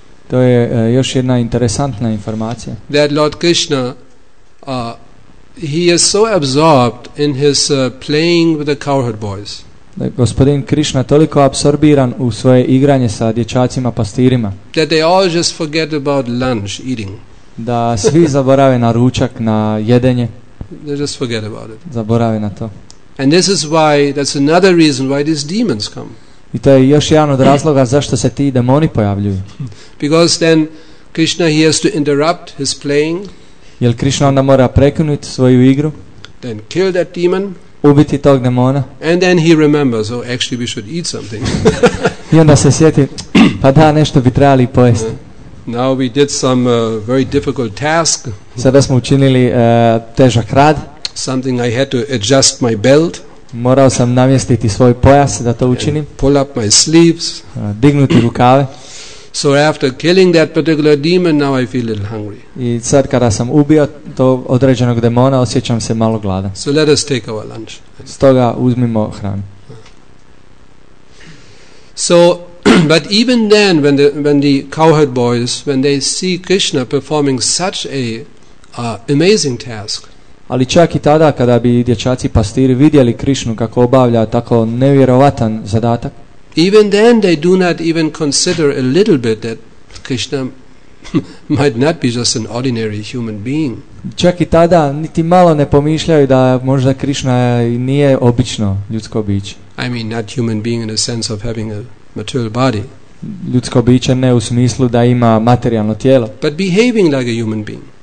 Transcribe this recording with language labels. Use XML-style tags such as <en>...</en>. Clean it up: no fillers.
<hr>To je još jedna interesantna informacija.</hr> <en>That Lord Krishna, he is so absorbed in his playing with the cowherd boys.</en> <hr>Da gospodin Krishna toliko apsorbiran u svoje igranje sa dječacima pastirima.</hr> <en>That they all just forget about lunch eating.</en> <hr>Da svi zaborave na ručak, na jedenje.</hr> <en>They just forget about it.</en> <hr>Zaborave na to.</hr> <en>And this is why, that's another reason why these demons come.</en> <hr>I to je još jedan od razloga zašto se ti demoni pojavljuju.</hr> <en>Because then Krishna he has to interrupt his playing.</en> <hr>Jer Krishna onda mora prekinuti svoju igru.</hr> <en>Then kill that demon.</en> <hr>Ubiti tog demona.</hr> <en>And then he remembers, oh, actually we should eat something.</en> <hr>I onda se sjeti, pa da, nešto bi trebali pojesti.</hr> <en>Now we did some very difficult task.</en> <hr>Sada smo učinili težak rad.</hr> <en>Something I had to adjust my belt.</en> <hr>Morao sam namjestiti svoj pojas da to učinim.</hr> <en>And pull up my sleeves.</en> <hr>Dignuti rukave.</hr> <en>So after killing that particular demon, now I feel a little hungry.</en> <hr>I sad kada sam ubio to određenog demona, osjećam se malo gladan.</hr> <en>So let us take our lunch.</en> <hr>Stoga uzmimo hranu.</hr> <en>So, but even then, when the cowherd boys, when they see Krishna performing such a amazing task.</en> <hr>Ali čak i tada kada bi dječaci pastiri vidjeli Krishnu kako obavlja tako nevjerovatan zadatak.</hr> <en>Even then they do not even consider a little bit that Krishna might not be just an ordinary human being.</en> <hr>Čak i tada niti malo ne pomišljaju da možda Krishna nije obično ljudsko biće.</hr> <en>I mean not human being in the sense of having a material body.</en> <hr>Ljudsko biće ne u smislu da ima materijalno tijelo.</hr> <en>But behaving like a human being.</en>